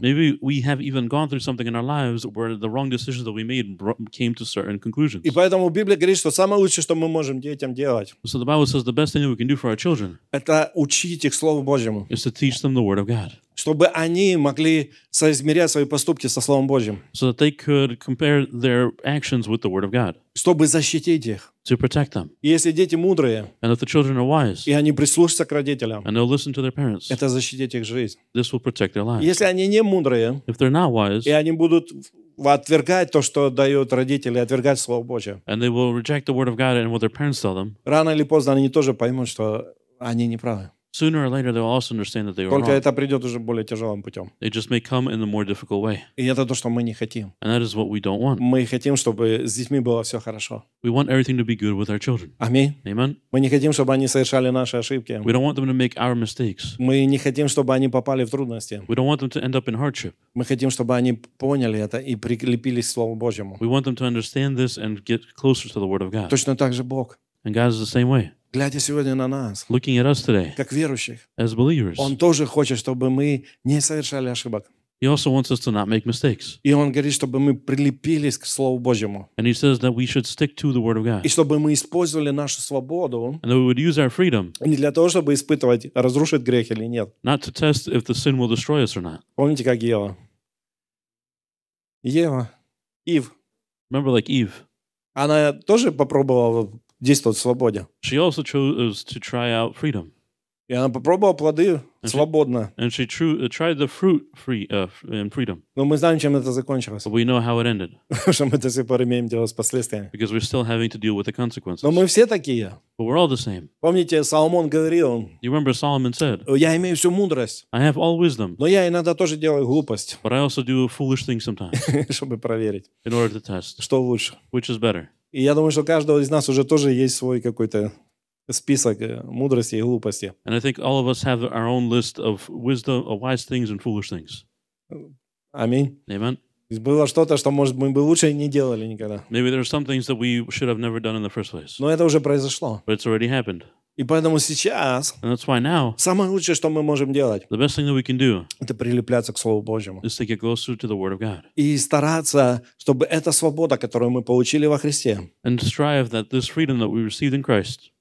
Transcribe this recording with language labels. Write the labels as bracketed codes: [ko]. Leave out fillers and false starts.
[en] Maybe we have even gone through something in our lives where the wrong decisions that we made came to certain conclusions. [ru] И поэтому Библия говорит, что самое лучшее, что мы можем детям делать, [en] so the Bible says the best thing we can do for our children, [ru] это учить их Слову Божьему. [en] Is to teach them the Word of God. [ru] чтобы они могли соизмерять свои поступки со Словом Божьим. [en] So that they could compare their actions with the Word of God. [ru] Чтобы защитить их. [en] To protect them. [ru] И если дети мудрые, [en] and if the children are wise, [ru] и они прислушаются к родителям, [en] and they'll listen to their parents, [ru] это защитит их жизнь. [en] This will protect their lives. [ru] Если они не мудрые, [en] if they're not wise, [ru] и они будут отвергать то, что дают родители, отвергать Слово Божье, [en] and they will reject the Word of God and what their parents tell them, [ru] рано или поздно они тоже поймут, что они не правы. [en] Sooner or later, they'll also understand that they [ru] Только [en] were wrong. [ru] Только это придет уже более тяжелым путем. [en] It just may come in a more difficult way. [ru] И это то, что мы не хотим. [en] And that is what we don't want. [ru] Мы хотим, чтобы с детьми было все хорошо. [en] We want everything to be good with our children. [ru] Аминь. [en] Amen. [ru] Мы не хотим, чтобы они совершали наши ошибки. [en] We don't want them to make our mistakes. [ru] Мы не хотим, чтобы они попали в трудности. [en] We don't want them to end up in hardship. [ru] Мы хотим, чтобы они поняли это и прикрепились к Слову Божьему. [en] We want them to understand this and get closer to the Word of God. [ru] Точно так же Бог. [en] And God is the same way. [ru] Глядя сегодня на нас, [en] looking at us today, [ru] как верующих, [en] as believers, [ru] Он тоже хочет, чтобы мы не совершали ошибок. [en] He also wants us to not make mistakes. [ru] И Он говорит, чтобы мы прилепились к Слову Божьему. [en] And He says that we should stick to the Word of God. [ru] И чтобы мы использовали нашу свободу, [en] and that we would use our freedom, [ru] не для того, чтобы испытывать, разрушит грех или нет. [en] Not to test if the sin will destroy us or not. [ru] Помните, как Ева? Ева. Ив. [en] Remember, like Eve. [ru] Она тоже попробовала действовать в свободе. [en] She also chose to try out freedom. [ru] И она попробовала плоды свободно. [en] And she tried the fruit free, in freedom. [ru] Но мы знаем, чем это закончилось. [en] But we know how it ended. [ru] Потому что мы до сих пор имеем дело с последствиями. [en] Because we're still having to deal with the consequences. [ru] Но мы все такие. [en] But we're all the same. [ru] Помните, Соломон говорил. [en] You remember Solomon said. [ru] Я имею всю мудрость. [en] I have all wisdom. [ru] Но я иногда тоже делаю глупость. [en] But I also do foolish things sometimes. [ru] Чтобы проверить. [en] In order to test. [ru] Что лучше. [en] Which is better. [ru] И я думаю, что у каждого из нас уже тоже есть свой какой-то список мудрости и глупости. [en] And I think all of us have our own list of wisdom, of wise things and foolish things. [ru] Аминь. [en] Amen. [ru] Было что-то, что, может, мы бы лучше не делали никогда. [en] Maybe there are some things that we should have never done in the first place. [ru] Но это уже произошло. [en] But it's already happened. [ru] И поэтому сейчас, [en] and that's why now, [ru] самое лучшее, что мы можем делать, [en] the best thing that we can do, [ru] это прилепляться к Слову Божьему. [en] Is to get closer to the Word of God. [ru] И стараться, чтобы эта свобода, которую мы получили во Христе, [en] and strive that this freedom that we received in Christ,